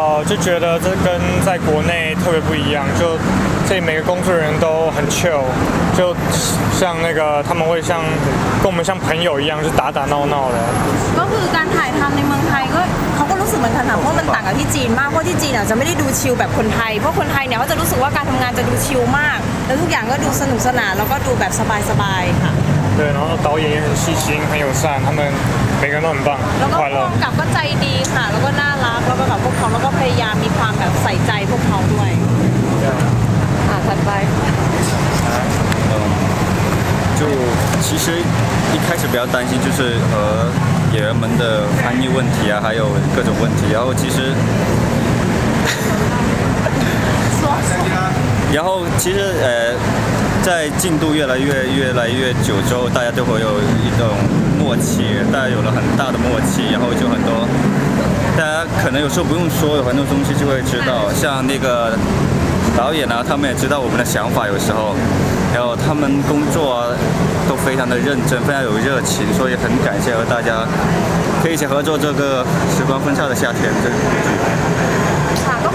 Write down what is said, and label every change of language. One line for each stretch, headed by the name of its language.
Chinese: 就觉得这跟在国内特别不一样，就这里每个工作人员都很 chill， 就像那个他们会像跟我们像朋友一样，就打打闹闹的。
Thai: ก็คือการถ่ายทำในเมืองไทยก็เขาก็รู้สึกเหมือนกันค่ะเพราะมันต่างกับที่จีนมากเพราะที่จีนเนี่ยจะไม่ได้ดูชิลแบบคนไทยเพราะคนไทยเนี่ยเขาจะรู้สึกว่าการทำงานจะดูชิลมากแล้วทุกอย่างก็ดูสนุกสนานแล้วก็ดูแบบสบายสบายค่ะ
Chinese: 对，然后导演也很细心，很友善，他们每个人都很棒，快乐。
Thai: แล้วก็ผู้กำกับก็ใจดีค่ะ，แล้วก็น่ารัก，แล้วก็แบบพวกเขาแล้วก็พยายามมีความแบบใส่ใจพวกเขาด้วย。啊，ถัดไป。
Chinese: 就其实一开始比较担心，就是和演员们的翻译问题啊，还有各种问题，然后其实。然后其实在进度越来越久之后，大家就会有一种默契，大家有了很大的默契，然后就很多，大家可能有时候不用说，有很多东西就会知道，像那个导演啊，他们也知道我们的想法，有时候，然后他们工作啊都非常的认真，非常有热情，所以很感谢和大家可以一起合作这个《时光分岔的夏天》这部剧。